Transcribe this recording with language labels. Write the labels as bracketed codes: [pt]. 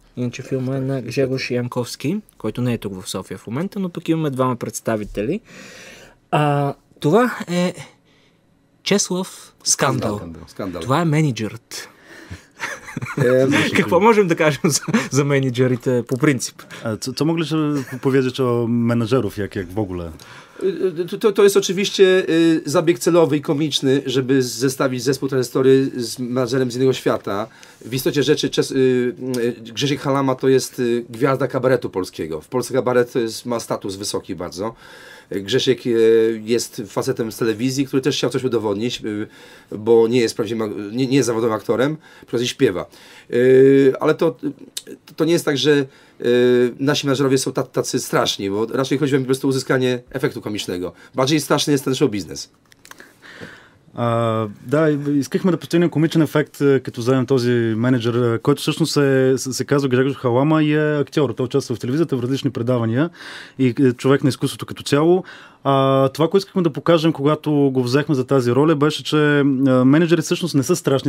[bg] Иначе филма е на Жегош Янковски, който не е тук в София в момента, но пък имаме двама представители. Това е Чеслав Скандал. Скандал. Това е менеджерът. Какво можем да кажем за менеджерите по принцип? [pl] Co mogli się powiedzieć o menedżerów, jak w ogóle? To jest oczywiście zabieg celowy i komiczny, żeby zestawić zespół Trajectory z menedżerem z innego świata. W istocie rzeczy Grzesiek Halama to jest gwiazda kabaretu polskiego. W Polsce kabaret ma status wysoki bardzo. Grzesiek jest facetem z telewizji, który też chciał coś udowodnić, bo nie jest prawdziwym, nie jest zawodowym aktorem, prawdziwie śpiewa. Ale to nie jest tak, że nasi menedżerowie są tacy straszni, bo raczej chodzi mi po prostu o uzyskanie efektu komicznego. Bardziej straszny jest ten show biznes. [bg] Да, искахме да постигнем комичен ефект, като вземем този менеджер, който всъщност се казва Грегор Халама и е актьор. Той участва в телевизията в различни предавания и човек на изкуството като цяло. Това, което искахме да покажем, когато го взехме за тази роля, беше, че менеджери всъщност не са страшни.